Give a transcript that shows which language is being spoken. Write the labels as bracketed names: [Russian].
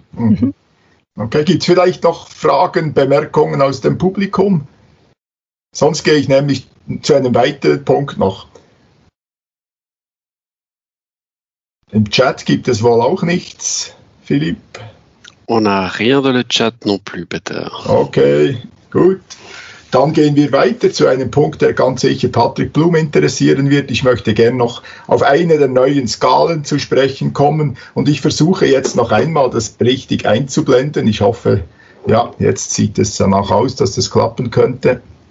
[German] Mhm. Okay, gibt es vielleicht noch Fragen, Bemerkungen aus dem Publikum? Sonst gehe ich nämlich zu einem weiteren Punkt noch. Im Chat gibt es wohl auch nichts, Philipp? [French] On a rien dans le chat non plus, [German] bitte. Okay, gut. Dann gehen wir weiter zu einem Punkt, der ganz sicher Patrick Blum interessieren wird. Ich möchte gern noch auf eine der neuen Skalen zu sprechen kommen und ich versuche jetzt noch einmal das richtig einzublenden. Ich hoffe, ja, jetzt sieht es danach aus, dass das klappen könnte.